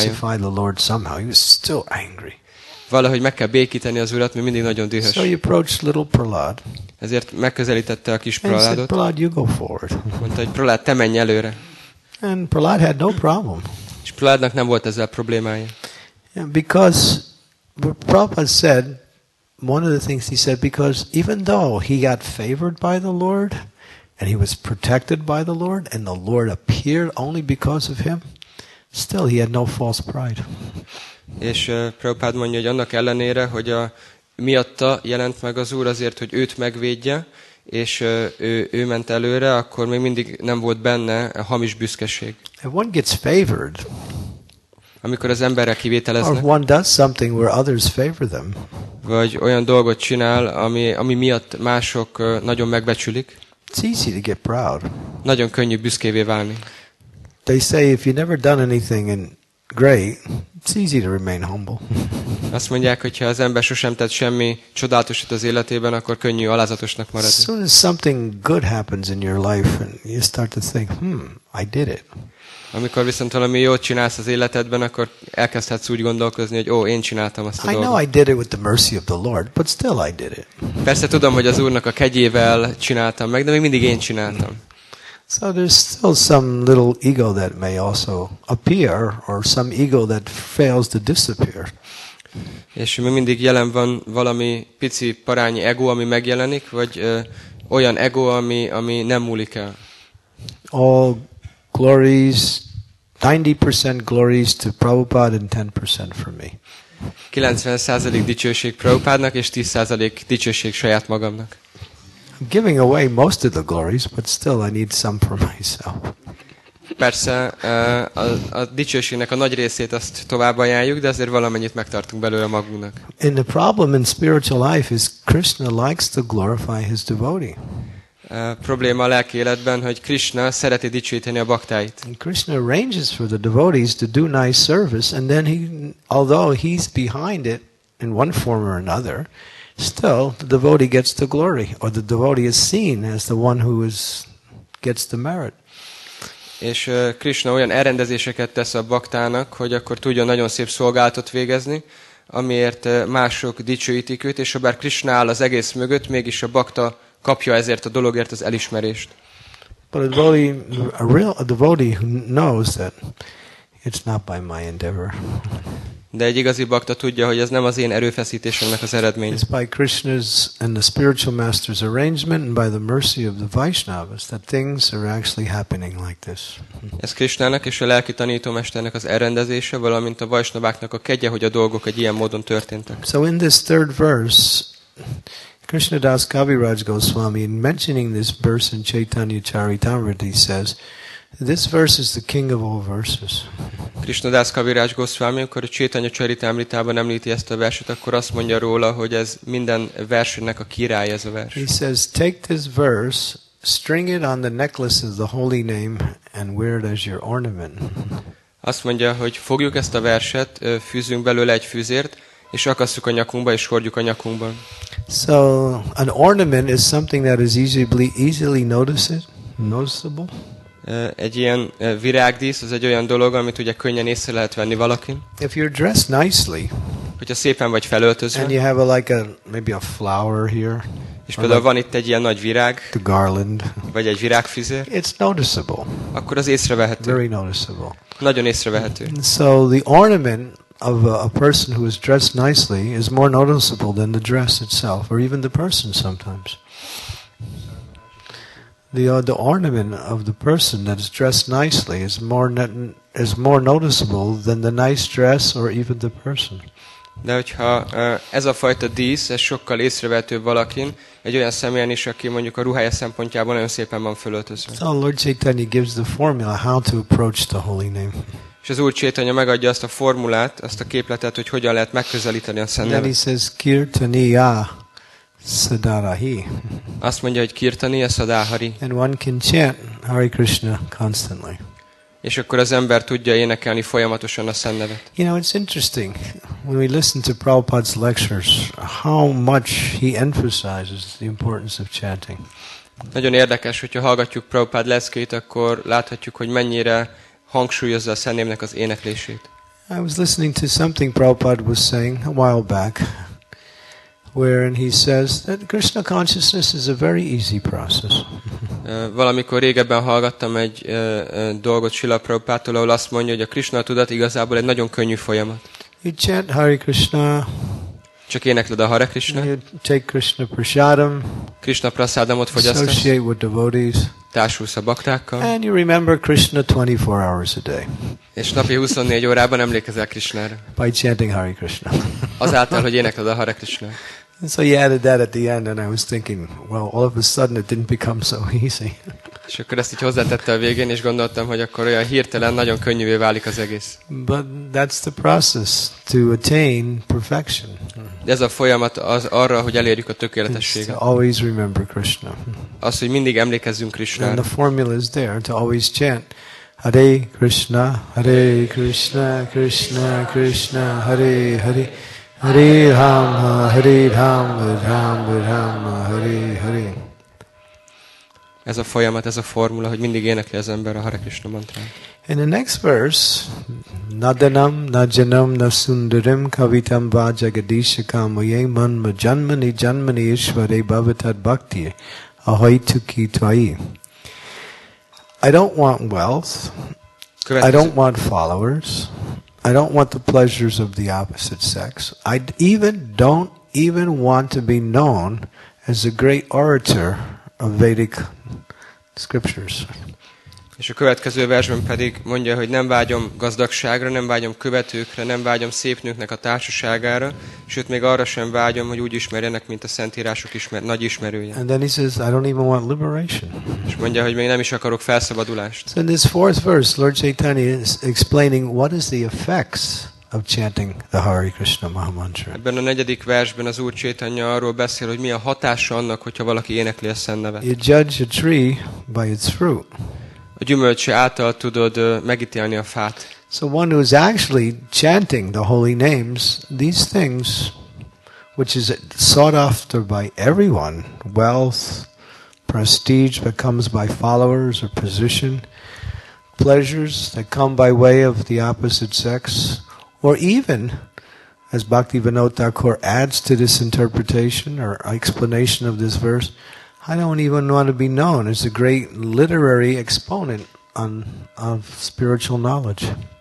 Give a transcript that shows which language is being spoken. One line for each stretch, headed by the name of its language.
English: We have to pacify the Lord somehow. He was still angry.
Hungarian: Valahogy meg kell békíteni az Urat, mert mindig nagyon dühös.
English: So he approached little Prahlad.
Hungarian: Ezért megközelítette a kis Prahladot.
English: Prahlad, you go forward.
Hungarian: Mondta, hogy Prahlad, te menj előre.
English: And Prahlad had no problem.
Hungarian: És Prahladnak nem volt ezzel problémája.
English: Yeah, because Prabhupada said one of the things he said, because even though he got favored by the Lord and he was protected by the Lord and the Lord appeared only because of him, still he had no false pride.
Hungarian: És Prabhupada mondja, hogy annak ellenére, hogy a miatta jelent meg az Úr azért, hogy őt megvédje, és ő ment előre, akkor még mindig nem volt benne a hamis büszkeség.
English: If one gets favored,
Hungarian: amikor az emberre kivételeznek,
English: or one does something where others favor them,
Hungarian: vagy olyan dolgot csinál, ami miatt mások nagyon megbecsülik,
English: it's easy to get proud.
Hungarian: Nagyon könnyű büszkévé válni.
English: They say if you've never done anything and great, it's easy to remain humble.
Hungarian: Azt mondják, hogy ha az ember sosem tett semmi csodálatosat az életében, akkor könnyű alázatosnak maradni.
English: As soon as something good happens in your life and you start to think, I did it.
Hungarian: Amikor viszont valami jót csinálsz az életedben, akkor elkezdhetsz úgy gondolkozni, hogy én csináltam azt a dolgot.
English: I know I did it with the mercy of the Lord, but still I did it.
Hungarian: Persze tudom, hogy az Úrnak a kegyével csináltam meg, de még mindig én csináltam.
English: So there's still some little ego that may also appear, or some ego that fails to disappear.
Hungarian: És mi mindig jelen van valami pici parányi ego, ami megjelenik, vagy olyan ego, ami nem múlik el.
English: All glories, 90% glories to Prabhupada and 10% for me.
Hungarian: 90% dicsőség Prabhupádnak és 10% dicsőség saját magamnak.
English: I'm giving away most of the glories, but still I need some for myself.
Hungarian: Persze, a dicsőségnek a nagy részét azt tovább ajánljuk, de azért valamennyit megtartunk belőle magunknak.
English: And the problem in spiritual life is Krishna likes to glorify his devotee.
Hungarian: Probléma a lelki életben, hogy Krishna szereti dicsőíteni a baktáit.
English: And Krishna arranges for the devotees to do nice service, and then he, although he's behind it in one form or another, still, the devotee gets the glory, or the devotee is seen as the one who is gets the merit.
Hungarian: És Krishna olyan elrendezéseket tesz a baktának, hogy akkor tudja nagyon szép szolgálatot végezni, amiért mások dicsőítik őt, és habár Krishna áll az egész mögött, mégis a bakta kapja ezért a dologért az elismerést.
English: But a devotee who knows that it's not by my endeavor.
Hungarian: De egy igazi bakta tudja, hogy ez nem az én erőfeszítésemnek az eredmény.
English: It's by Krishna's and the spiritual master's arrangement and by the mercy of the Vaishnavas that things are actually happening like this.
Hungarian: Ez Krishnának és a lelki tanítómesternek az elrendezése, valamint a Vaishnaváknak a kegye, hogy a dolgok egy ilyen módon történtek.
English: So in this third verse, Krishna Das Kaviraj Goswami, in mentioning this verse in Chaitanya Charitamrita, says, this verse is the king of all verses.
Hungarian: Krishna Das Kaviraj Goswami, amikor a Chaitanya Charitamritában említi ezt a verset, akkor azt mondja róla, hogy ez minden versnek a királya ez a vers.
English: He says, take this verse, string it on the necklace of the holy name, and wear it as your ornament.
Hungarian: Azt mondja, hogy fogjuk ezt a verset, fűzünk belőle egy fűzért, és akasszuk a nyakunkba, és hordjuk a nyakunkban.
English: So, an ornament is something that is easily noticeable.
Hungarian: Egy ilyen virágdísz, az egy olyan dolog, amit ugye könnyen észre lehet venni valakin.
English: If you're dressed nicely,
Hungarian: hogyha szépen vagy felöltözve,
English: and you have maybe a flower here,
Hungarian: és például van itt egy ilyen nagy virág,
English: the garland,
Hungarian: vagy egy virágfüzér,
English: it's noticeable.
Hungarian: Akkor az észrevehető.
English: Very noticeable.
Hungarian: Nagyon észrevehető.
English: So the ornament of a person who is dressed nicely is more noticeable than the dress itself, or even the person sometimes. The ornament of the person that is dressed nicely is more noticeable than the nice dress or even the person.
Hungarian: De hogyha ez a fajta dísz, ez sokkal észrevehetőbb valakin, egy olyan személyen is, aki mondjuk a ruhája szempontjából nagyon szépen van fölöltözve.
English: So Lord Chaitanya gives the formula how to approach the holy name.
Hungarian: És az Úr Chaitanya megadja azt a formulát, azt a képletet, hogy hogyan lehet megközelíteni a Szent Nevet.
English: Then he says, Kirtaniya Sadarahi.
Hungarian: Azt mondja, hogy Kirtaniya Sadahari.
English: And one can chant Hare Krishna constantly.
Hungarian: És akkor az ember tudja énekelni folyamatosan a Szent Nevet.
English: You know, it's interesting when we listen to Prabhupada's lectures how much he emphasizes the importance of chanting.
Hungarian: Nagyon érdekes, hogyha hallgatjuk Prabhupada leckét, akkor láthatjuk, hogy mennyire hangsúlyozza a Szent Névnek az éneklését.
English: I was listening to something Prabhupada was saying a while back, wherein he says that Krishna consciousness is a very easy process.
Hungarian: Valamikor régebben hallgattam egy dolgot Srila Prabhupától, ahol azt mondja, hogy a Krishna tudat igazából egy nagyon könnyű folyamat.
English: You chant Hare Krishna.
Hungarian: Csak énekled a Hare Krishna.
English: You take Krishna prasadam.
Hungarian: Krishna prasadamot fogyasztasz.
English: Associate with devotees.
Hungarian: Társulsz a baktákkal.
English: And you remember Krishna 24 hours a day.
Hungarian: És napi 24 órában emlékezel Krishnára.
English: By chanting Hare Krishna.
Hungarian: Azáltal, hogy énekled a Hare Krishna.
English: And so you added that at the end, and I was thinking, well, all of a sudden it didn't become so easy.
Hungarian: És akkor ezt így hozzátette a végén, és gondoltam, hogy akkor olyan hirtelen nagyon könnyűvé válik az egész.
English: But that's the process to attain perfection.
Hungarian: De ez a folyamat az arra, hogy elérjük a tökéletességet.
English: It's to always remember Krishna.
Hungarian: Az, hogy mindig emlékezzünk Krishnára.
English: And the formula is there to always chant,
Sanskrit: Hare Krishna, Hare Krishna, Krishna Krishna, Hare Hare. Hare Rama, Hare Rama, Rama Rama, Hare Hare.
Hungarian: Ez a folyamat, ez a formula, hogy mindig énekli az ember a Hare Krishna mantrát.
Sanskrit: In the next verse, Nadanam, Najanam, Nasundaram, Kavitam, Vajagadishakam, Vayem, Manma, Janmani, Janmani, Ishvare, Bhavatad, Bhakti, Ahoy, Tuki, Tvai.
English: I don't want wealth. I don't want followers. I don't want the pleasures of the opposite sex. I don't even want to be known as a great orator of Vedic scriptures.
Hungarian: És a következő versben pedig mondja, hogy nem vágyom gazdagságra, nem vágyom követőkre, nem vágyom szép nőknek a társaságára, sőt még arra sem vágyom, hogy úgy ismerjenek, mint a szentírások nagy ismerője.
English: And then he says, I don't even want liberation.
Hungarian: És mondja, hogy még nem is akarok felszabadulást.
English: So in this fourth verse, Lord Chaitanya is explaining what is the effects of chanting the Hare Krishna Mahamantra.
Hungarian: Ebben a negyedik versben az Úr Chaitanya arról beszél, hogy mi a hatása annak, hogyha valaki énekli a Szent Nevet.
English: You judge a tree by its fruit.
Hungarian: A gyümölcse által tudod megítélni a fát.
English: So one who is actually chanting the holy names, these things, which is sought after by everyone, wealth, prestige that comes by followers or position, pleasures that come by way of the opposite sex, or even, as Bhaktivinoda Thakur adds to this interpretation or explanation of this verse, I don't even want to be known as a great literary exponent of spiritual knowledge.